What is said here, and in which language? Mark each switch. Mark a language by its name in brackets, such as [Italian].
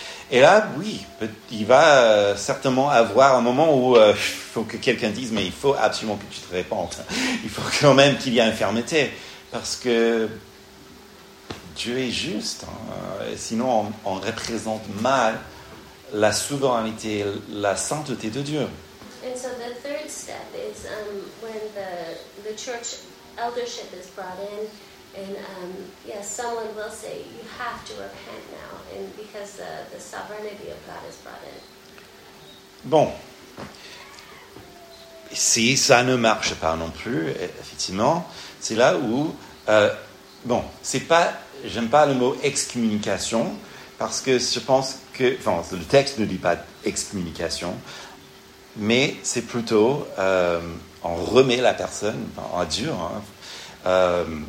[French] Et là, oui, il va certainement avoir un moment où il faut que quelqu'un dise, mais il faut absolument que tu te répandes. Il faut quand même qu'il y ait une fermeté, parce que Dieu est juste. Hein, sinon, on représente mal la souveraineté, la sainteté de Dieu. [English] And so the third step is when the church eldership is brought in, and someone will say, you have to repent now, and because the sovereignty of God is brought in. [French] Bon. Si ça ne marche pas non plus, effectivement, c'est là où... j'aime pas le mot excommunication, parce que je pense que... Enfin, le texte ne dit pas excommunication, mais c'est plutôt, on remet la personne à Dieu. Hein.